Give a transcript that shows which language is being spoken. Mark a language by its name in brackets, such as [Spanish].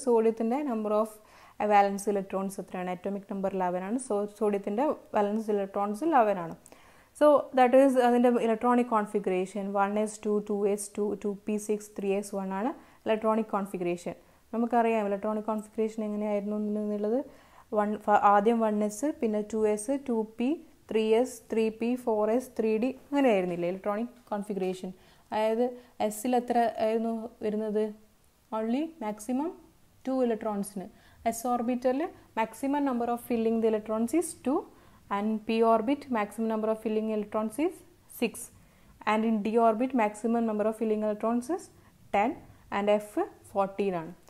[Malayalam] സോഡിയത്തിൻ്റെ number of വാലൻസ് electrons എത്രയാണ്, atomic number 11 ആണ്. സോഡിയത്തിൻ്റെ വാലൻസ് electrons 11 ആണ്. സോ ദാറ്റ് ഈസ് അതിൻ്റെ electronic configuration 1s2, 2s2, 2p6, 3s1 ആണ് ഇലക്ട്രോണിക് കോൺഫിഗറേഷൻ. നമുക്കറിയാം ഇലക്ട്രോണിക് കോൺഫിഗറേഷൻ എങ്ങനെയായിരുന്നു എന്നുള്ളത്. ആദ്യം 1s, പിന്നെ 2s, 2p, 3s, 3p, 4s, 3d അങ്ങനെ ആയിരുന്നില്ല ഇലക്ട്രോണിക് കോൺഫിഗറേഷൻ. അതായത് എസ്സിൽ എത്ര ആയിരുന്നു വരുന്നത്? Only maximum 2 ഇലക്ട്രോൺസിന്. [English] S ഓർബിറ്ററിൽ maximum number of filling the electrons is 2, and P orbit maximum number of filling electrons is 6, and in D orbit maximum number of filling electrons is 10, and F 14 ആണ്.